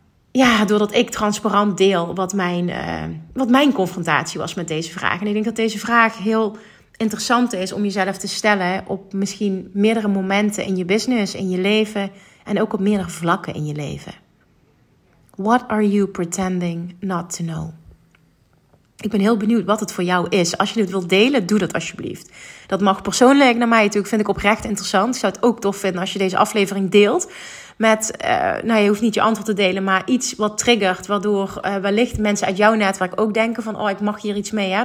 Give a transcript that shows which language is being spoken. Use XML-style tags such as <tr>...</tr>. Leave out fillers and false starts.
<nl>Ja, doordat ik transparant deel wat mijn confrontatie was met deze vraag. En ik denk dat deze vraag heel interessant is om jezelf te stellen op misschien meerdere momenten in je business, in je leven en ook op meerdere vlakken in je leven.</nl> <en>What are you pretending not to know?</en> <nl>Ik ben heel benieuwd wat het voor jou is. Als je dit wilt delen, doe dat alsjeblieft. Dat mag persoonlijk naar mij natuurlijk, vind ik oprecht interessant. Ik zou het ook tof vinden als je deze aflevering deelt. Je hoeft niet je antwoord te delen, maar iets wat triggert, waardoor wellicht mensen uit jouw netwerk ook denken van, oh, ik mag hier iets mee, hè?</nl>